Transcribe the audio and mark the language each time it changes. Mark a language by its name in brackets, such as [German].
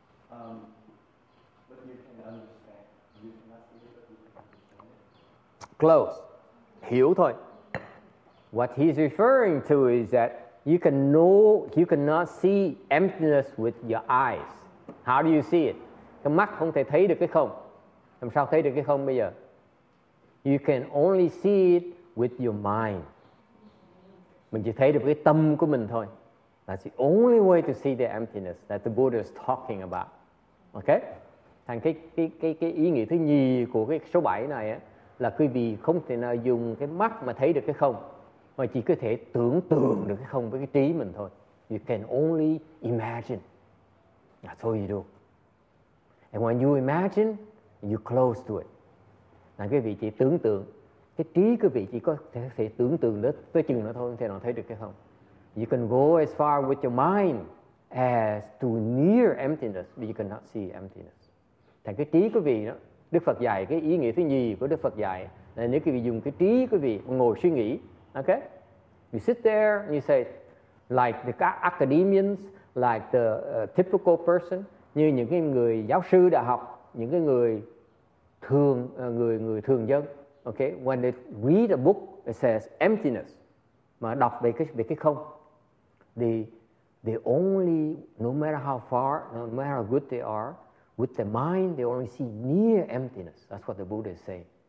[English] But you can understand. You cannot see it, but you can understand it. Close. [Vietnamese] Hiểu thôi. [English] What he's referring to is that you can know, you cannot see emptiness with your eyes. How do you see it? [Vietnamese] Cái mắt không thể thấy được cái không. Làm sao thấy được cái không bây giờ? [English] You can only see it with your mind. [Vietnamese] Mình chỉ thấy được cái tâm của mình thôi. [English] That's the only way to see the emptiness that the Buddha is talking about. Okay? [Vietnamese] Thành cái ý nghĩa thứ nhì của cái số 7 này á, là quý vị không thể nào dùng cái mắt mà thấy được cái không, mà chỉ có thể tưởng tượng được cái không với cái trí mình thôi. [English] You can only imagine. That's all you do. And when you imagine, you close to it. [Vietnamese] Là cái vị trí tưởng tượng, cái trí của vị trí có thể tưởng tượng đó tới chừng nó thôi, không thể nào thấy được cái không. [English] You can go as far with your mind as to near emptiness, but you cannot see emptiness. [Vietnamese] Thành cái trí của vị đó, Đức Phật dạy cái ý nghĩa thứ nhì của Đức Phật dạy là nếu quý vị dùng cái trí của vị ngồi suy nghĩ, okay? [English] You sit there and you say, like the academicians, like the typical person, [Vietnamese] như những cái người giáo sư đại học, những cái người thường người thường dân, [English] okay, when they read a book it says emptiness, [Vietnamese] mà đọc về cái không, [English] they only, no matter how far, no matter how good they are with the mind, they only see near emptiness. That's what the Buddha is saying.